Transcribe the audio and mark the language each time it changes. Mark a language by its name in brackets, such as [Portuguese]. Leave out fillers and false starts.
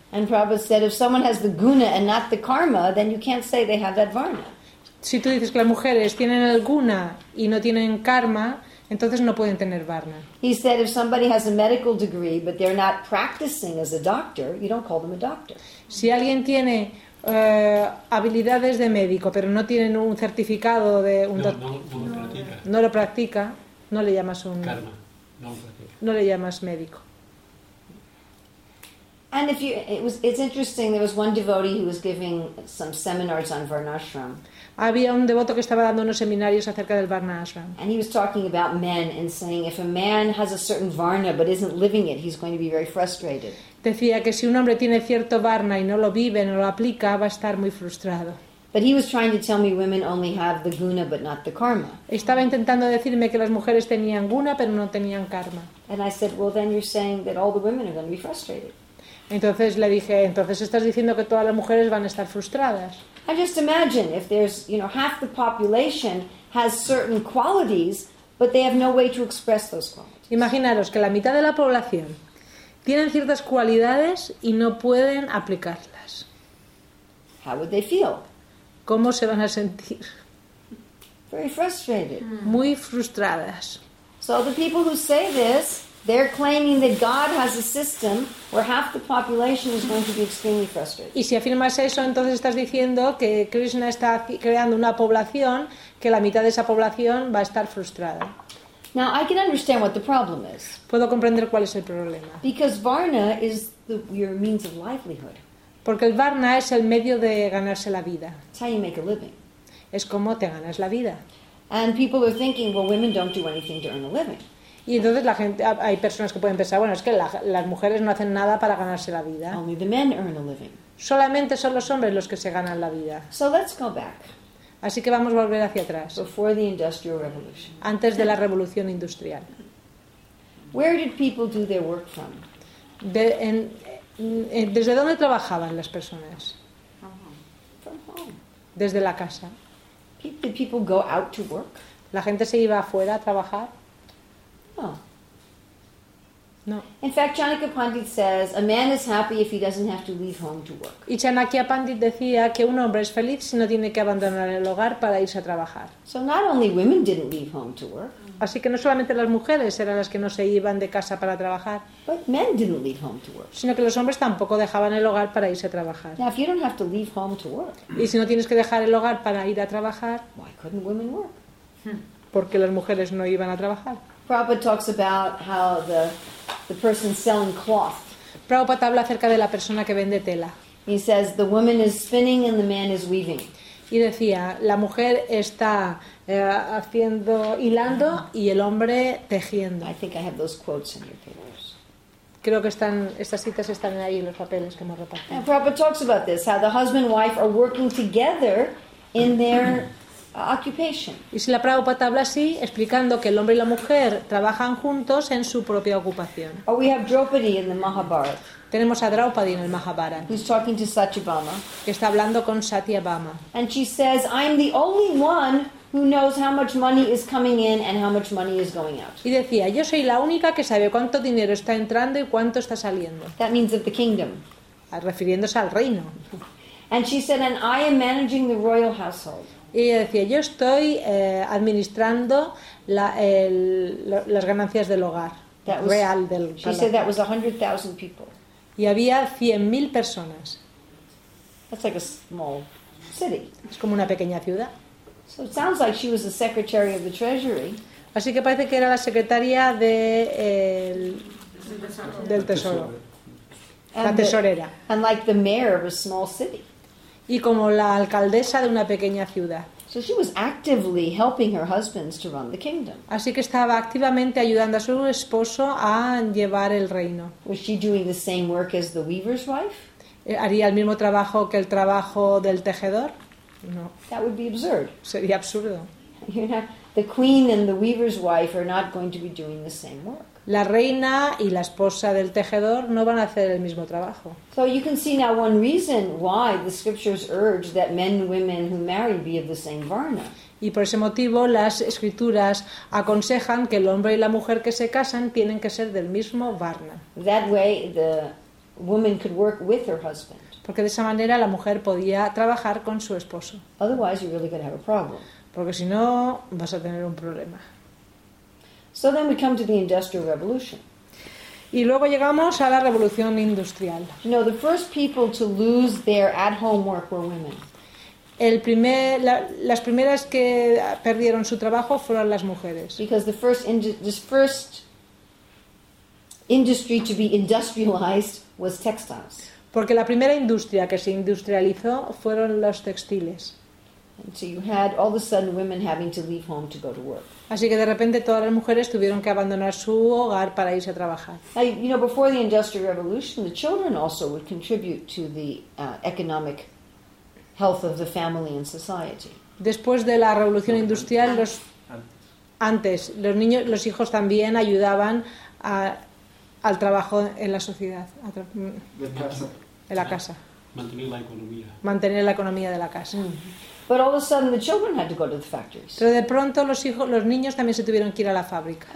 [English] And Prabhupada said if someone has the guna and not the karma, then you can't say they have that varna. [Spanish] Si tú dices que las mujeres tienen el guna y no tienen karma, entonces no pueden tener varna. [English] He said if somebody has a medical degree but they're not practicing as a doctor, you don't call them a doctor. [Spanish] Si alguien tiene habilidades de médico, pero no tienen un certificado de un doctor. No lo practica, no le llamas un karma. No le llamas médico. [English] And if you, it's interesting. There was one devotee who was giving some seminars on Varnashram. [Spanish] Había un devoto que estaba dando unos seminarios acerca del Varna Ashram. [English] And he was talking about men and saying if a man has a certain Varna but isn't living it, he's going to be very frustrated. [Spanish] Decía que si un hombre tiene cierto Varna y no lo vive, no lo aplica, va a estar muy frustrado. [English] But he was trying to tell me women only have the guna but not the karma. [Spanish] Estaba intentando decirme que las mujeres tenían guna pero no tenían karma. [English] And I said, well then you're saying that all the women are going to be frustrated. [Spanish] Entonces le dije, entonces estás diciendo que todas las mujeres van a estar frustradas. [English] I just imagine if there's, you know, half the population has certain qualities but they have no way to express those qualities. [Spanish] Imaginaros que la mitad de la población tienen ciertas cualidades y no pueden aplicarlas. [English] How would they feel? [Spanish] ¿Cómo se van a sentir? [English] Very frustrated. [Spanish] Muy frustradas. [English] So the people who say this, they're claiming that God has a system where half the population is going to be extremely frustrated. [Spanish] Y si afirmas eso, entonces estás diciendo que Krishna está creando una población que la mitad de esa población va a estar frustrada. [English] Now I can understand what the problem is. [Spanish] Puedo comprender cuál es el problema. [English] Because varna is your means of livelihood. [Spanish] Porque el varna es el medio de ganarse la vida. [English] It's how you make a living. [Spanish] Es como te ganas la vida. [English] And people are thinking, well, women don't do anything to earn a living. [Spanish] Y entonces la gente, hay personas que pueden pensar, bueno, es que las mujeres no hacen nada para ganarse la vida. [English] Only the men earn a living. [Spanish] Solamente son los hombres los que se ganan la vida. [English] So let's go back. [Spanish] Así que vamos a volver hacia atrás. [English] Before the industrial revolution. [Spanish] Antes de la revolución industrial. [English] Where did people do their work from? [Spanish] ¿Desde dónde trabajaban las personas? [English] From home. [Spanish] Desde la casa. [English] Did people go out to work? [Spanish] ¿La gente se iba afuera a trabajar? [English] No. [Spanish] No. [English] In fact, Chanakya Pandit says a man is happy if he doesn't have to leave home to work. [Spanish] Y Chanakya Pandit decía que un hombre es feliz si no tiene que abandonar el hogar para irse a trabajar. [English] So not only women didn't leave home to work. [Spanish] Así que no solamente las mujeres eran las que no se iban de casa para trabajar. [English] But men didn't leave home to work. [Spanish] Sino que los hombres tampoco dejaban el hogar para irse a trabajar. [English] Now, if you don't have to leave home to work. [Spanish] Y si no tienes que dejar el hogar para ir a trabajar. [English] Why couldn't women work? [Spanish] Porque las mujeres no iban a trabajar. [English] Prabhupada talks about how the person selling cloth. [Spanish] Prabhupada habla acerca de la persona que vende tela. [English] He says the woman is spinning and the man is weaving. [Spanish] Y decía, la mujer está haciendo hilando y el hombre tejiendo. [English] I think I have those quotes in your papers. [Spanish] Creo que están estas citas están ahí en los papeles que hemos repartido. [English] And Prabhupada talks about this, how the husband and wife are working together in their occupation. [Spanish] Y si la Prabhupada habla así, explicando que el hombre y la mujer trabajan juntos en su propia ocupación. [English] Or we have Draupadi in the Mahabharata. [Spanish] Tenemos a Draupadi en el Mahabharata. [English] Who's talking to Satyabhama? [Spanish] Que está hablando con Satyabhama. [English] And she says, "I'm the only one who knows how much money is coming in and how much money is going out." [Spanish] Y decía, "Yo soy la única que sabe cuánto dinero está entrando y cuánto está saliendo." [English] That means of the kingdom. [Spanish] Refiriéndose al reino. [English] And she said, "And I am managing the royal household." [Spanish] Y ella decía, yo estoy administrando las ganancias del hogar real del palacio. [English] She said that was 100,000 people. [Spanish] Y había 100,000 personas. [English] That's like a small city. [Spanish] Es como una pequeña ciudad. [English] So it sounds like she was the secretary of the treasury. [Spanish] Así que parece que era la secretaria de del tesoro. La tesorera. [English] And like the mayor of a small city. [Spanish] Y como la alcaldesa de una pequeña ciudad. [English] So she was actively helping her husband to run the kingdom. [Spanish] Así que estaba activamente ayudando a su esposo a llevar el reino. [English] Was she doing the same work as the weaver's wife? [Spanish] ¿Haría el mismo trabajo que el trabajo del tejedor? [English] No. That would be absurd. [Spanish] Sería absurdo. [English] The queen and the weaver's wife are not going to be doing the same work. [Spanish] La reina y la esposa del tejedor no van a hacer el mismo trabajo. [English] So you can see now one reason why the scriptures urge that men and women who marry be of the same varna. [Spanish] Y por ese motivo las escrituras aconsejan que el hombre y la mujer que se casan tienen que ser del mismo varna. [English] That way the woman could work with her husband. [Spanish] Porque de esa manera la mujer podía trabajar con su esposo. [English] Otherwise you're really going to have a problem. [Spanish] Porque si no vas a tener un problema. [English] So then we come to the Industrial Revolution. [Spanish] Y luego llegamos a la Revolución Industrial. [English] You know, the first people to lose their at-home work were women. [Spanish] Las primeras que perdieron su trabajo fueron las mujeres. [English] Because this first industry to be industrialized was textiles. [Spanish] Porque la primera industria que se industrializó fueron los textiles. [English] And so you had all of a sudden women having to leave home to go to work. [Spanish] Así que de repente todas las mujeres tuvieron que abandonar su hogar para irse a trabajar. [English] Now, you know, before the Industrial Revolution, the children also would contribute to the economic health of the family and society. [Spanish] Después de la Revolución Industrial, los hijos también ayudaban al trabajo en la sociedad, en la casa. Mantener la economía de la casa. [English] But all of a sudden, the children had to go to the factories. [Spanish] Pero de pronto los niños también se tuvieron que ir a la fábrica.